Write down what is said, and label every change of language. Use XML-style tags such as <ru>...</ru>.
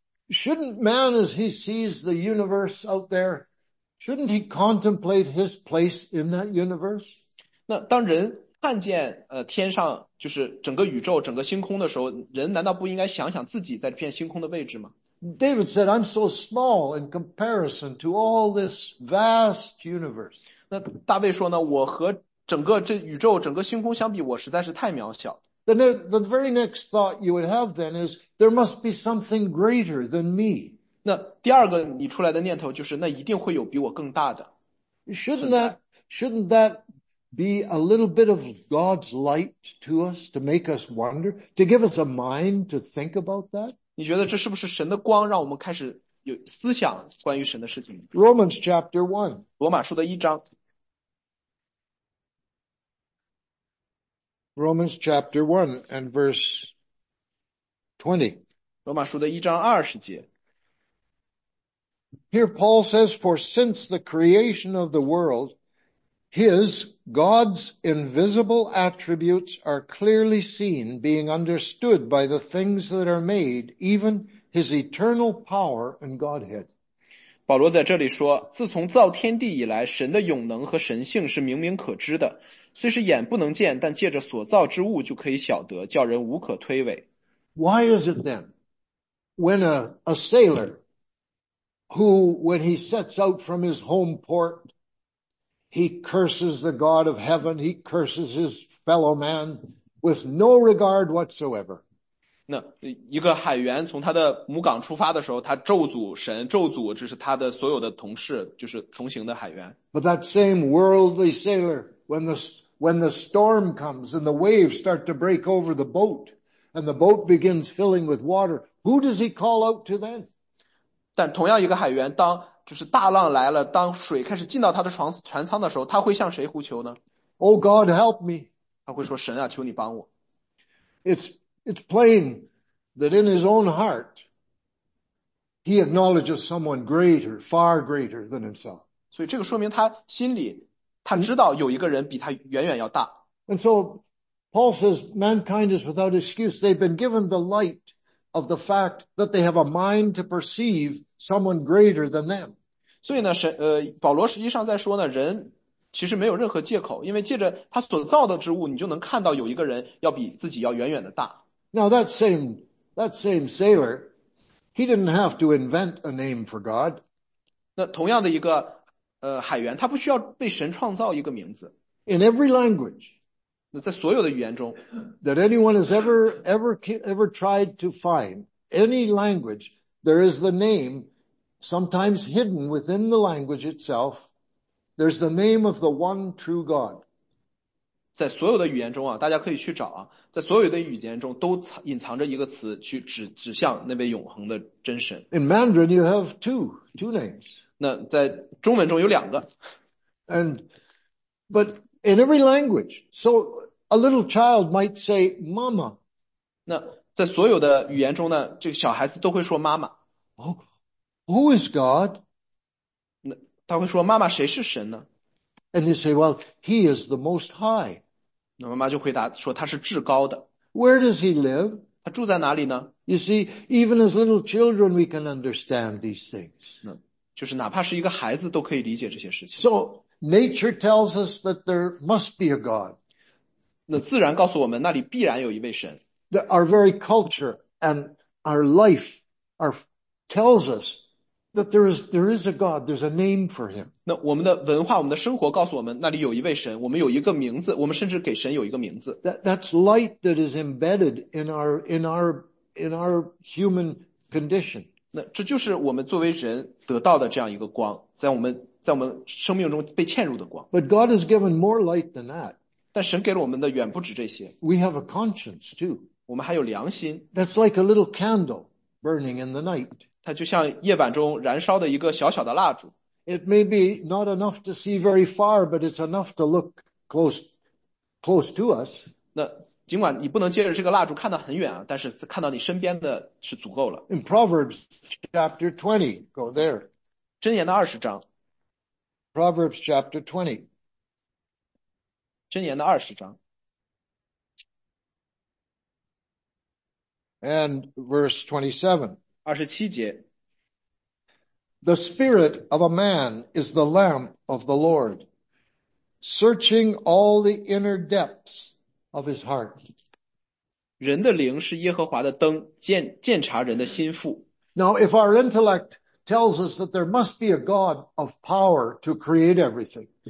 <en>Shouldn't man, as he sees the universe out there, shouldn't he contemplate his place in that universe?</en> <zh>那当人看见天上就是整个宇宙、整个星空的时候，人难道不应该想想自己在这片星空的位置吗？</zh> <en>David said, I'm so small in comparison to all this vast universe.</en> <zh>那大卫说呢，我和整个这宇宙、整个星空相比，我实在是太渺小。</zh> <en>The very next thought you would have then is, there must be something greater than me.</en> <zh>那第二个你出来的念头就是，那一定会有比我更大的存在。</zh> <en>Shouldn't that be a little bit of God's light to us, to make us wonder, to give us a mind to think about that?</en> <zh>你觉得这是不是神的光，让我们开始有思想关于神的事情？</zh> <en>Romans chapter 1.</en> <zh>罗马书的1章。</zh> <en>Romans chapter 1 and verse 20.</en> <zh>罗马书的1章20节。</zh> <en>Here Paul says, For since the creation of the world, God's invisible attributes are clearly seen, being understood by the things that are made, even his eternal power and Godhead.</en> <zh>保罗在这里说：“自从造天地以来，神的永能和神性是明明可知的，虽是眼不能见，但借着所造之物就可以晓得，叫人无可推诿。</zh> <en>Why is it then when a sailor who, when he sets out from his home port, he curses the God of heaven, he curses his fellow man with no regard whatsoever?</en> <zh>那一个海员从他的母港出发的时候，他咒诅神，咒诅这是他的所有的同事，就是同行的海员。</zh> <en>But that same worldly sailor, when the storm comes and the waves start to break over the boat and the boat begins filling with water, who does he call out to then?</en> <zh>但同样一个海员，当就是大浪来了，当水开始进到他的船舱的时候，他会向谁呼求呢？</zh> <en>Oh God, help me.</en> <zh>他会说：“神啊，求你帮我。</zh> <en>It's plain that in his own heart, he acknowledges someone greater, far greater than himself.</en> <zh>”所以这个说明他心里他知道有一个人比他远远要大。</zh> <en>And so Paul says, mankind is without excuse. They've been given the light of the fact that they have a mind to perceive someone greater than them.</en> <zh>所以呢，保罗实际上在说呢，人其实没有任何借口，因为借着他所造的之物，你就能看到有一个人要比自己要远远的大。</zh> <en>Now that same sailor, he didn't have to invent a name for God.</en> <zh>那同样的一个海员，他不需要被神创造一个名字。</zh> <en>In every language</en> <zh>那在所有的语言中。</zh> <en>that anyone has ever tried to find, any language, there is the name, sometimes hidden within the language itself, there's the name of the one true God.</en> <zh>在所有的语言中啊，大家可以去找啊，在所有的语言中都隐藏着一个词，去指向那位永恒的真神。</zh> <en>In Mandarin, you have two names.</en> <zh>那在中文中有两个。</zh> <en>But in every language, so a little child might say, Mama.</en> <zh>那在所有的语言中呢，这个小孩子都会说妈妈。</zh> <en>Oh, who is God?</en> <zh>那他会说妈妈谁是神呢？</zh> <en>And you say, Well, he is the most high.</en> <zh>那妈妈就回答说：“他是至高的，</zh> <en>Where does he live?</en> <zh>他住在哪里呢</zh> <en>You see, even as little children, we can understand these ？” things.</en> <zh>那就是哪怕是一个孩子都可以理解这些事情。</zh> <en>So nature tells us that there must be a God.</en> <zh>那自然告诉我们，那里必然有一位神。</zh> <en>That our very culture and our life are tells us that there is a God, there's a name for him.</en> <zh>那我们的文化，我们的生活告诉我们，那里有一位神，我们有一个名字，我们甚至给神有一个名字。</zh> <en>That's light that is embedded in our human condition.</en> <zh>那这就是我们作为人得到的这样一个光，在我们生命中被嵌入的光。</zh> <en>But God has given more light than that.</en> <zh>但神给了我们的远不止这些，</zh> <en>We have a conscience too.</en> <zh>我们还有良心。</zh> <en>That's like a little candle burning in the night.</en> <zh>它就像夜晚中燃烧的一个小小的蜡烛。</zh> <en>It may be not enough to see very far, but it's enough to look close to us.</en> <zh>那尽管你不能借着这个蜡烛看到很远啊，但是看到你身边的是足够了。</zh> <en>In Proverbs chapter 20, go there.</en> <zh>箴言的20章，</zh> <en>Proverbs chapter 20.</en> <zh>箴言的20章。</zh> <en>And verse 27.</en> <zh>27节。</zh> <en>The spirit of a man is the lamp of the Lord, searching all the inner depths of his heart.</en> <zh>人的灵是耶和华的灯，鉴察人的心腹。</zh> <en>Now, if our intellect tells us that there must be a God of power to create everything,</en>